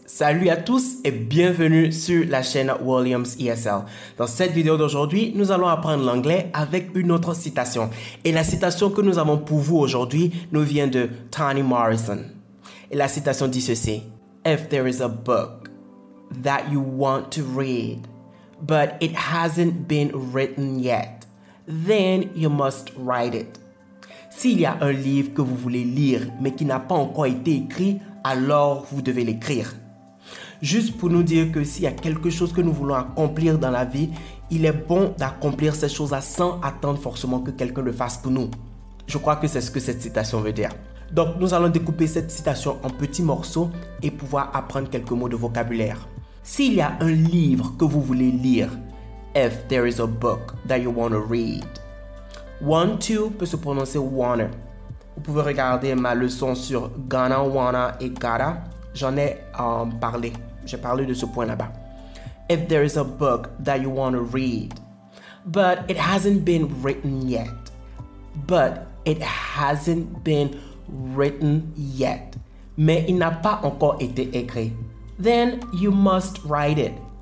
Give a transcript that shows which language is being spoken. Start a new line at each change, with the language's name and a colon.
French: Salut à tous et bienvenue sur la chaîne Williams ESL. Dans cette vidéo d'aujourd'hui, nous allons apprendre l'anglais avec une autre citation. Et la citation que nous avons pour vous aujourd'hui nous vient de Toni Morrison. Et la citation dit ceci.
English: If there is a book that you want to read, but it hasn't been written yet, then you must write it.
French: S'il y a un livre que vous voulez lire, mais qui n'a pas encore été écrit, alors vous devez l'écrire. Juste pour nous dire que s'il y a quelque chose que nous voulons accomplir dans la vie, il est bon d'accomplir cette chose-là sans attendre forcément que quelqu'un le fasse pour nous. Je crois que c'est ce que cette citation veut dire. Donc, nous allons découper cette citation en petits morceaux et pouvoir apprendre quelques mots de vocabulaire. S'il y a un livre que vous voulez lire,
English: if there is a book that you want to read,
French: want to peut se prononcer wanna. Vous pouvez regarder ma leçon sur gonna, wanna et gotta. J'en ai parlé. J'ai parlé de ce point là-bas.
English: If there is a book that you want to read, but it hasn't been written yet. But it hasn't been written yet.
French: Mais il n'a pas encore été écrit.
English: Then you must write it.